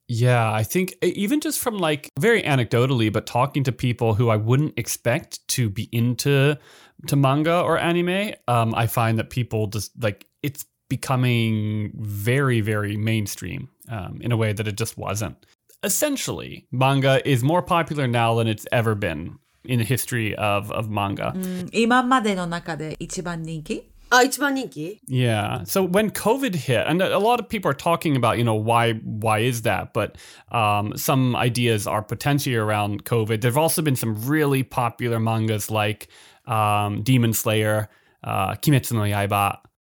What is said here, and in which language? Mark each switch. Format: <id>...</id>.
<en>Yeah, I think even just from like very anecdotally, but talking to people who I wouldn't expect to be into manga or anime, I find that people just like it's becoming very, very mainstream in a way that it just wasn't. Essentially, manga is more popular now than it's ever been in the history of manga.</en> <ja>今までの中で一番人気? あ、一番人気?</ja> <en>Yeah. So when COVID hit, and a lot of people are talking about, you know, why is that? But some ideas are potentially around COVID. There have also been some really popular mangas like Demon Slayer, Kimetsu no Yaiba.</en>